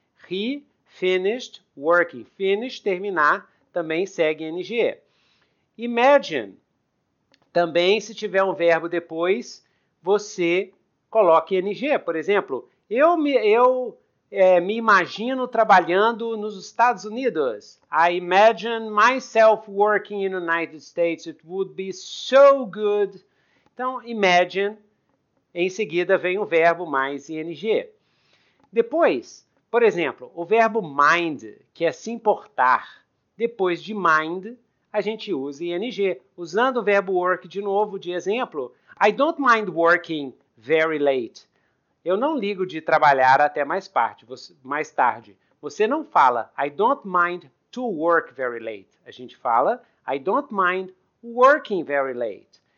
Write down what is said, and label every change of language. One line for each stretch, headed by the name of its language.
English: He finished working. Finish,
Portuguese: terminar, também segue
English: ing. Imagine.
Portuguese: Também, se tiver um verbo depois, você coloca ing. Por exemplo, eu me imagino trabalhando nos Estados Unidos.
English: I imagine myself working in the United States. It would be so good.
Portuguese: Então, imagine. Em seguida, vem o verbo mais ing. Depois, por exemplo, o verbo mind, que é se importar. Depois de mind, a gente usa ing. Usando o verbo work de novo, de exemplo,
English: I don't mind working very late.
Portuguese: Eu não ligo de trabalhar até mais tarde. Você não fala
English: I don't mind to work very late.
Portuguese: A gente fala
English: I don't mind working very late.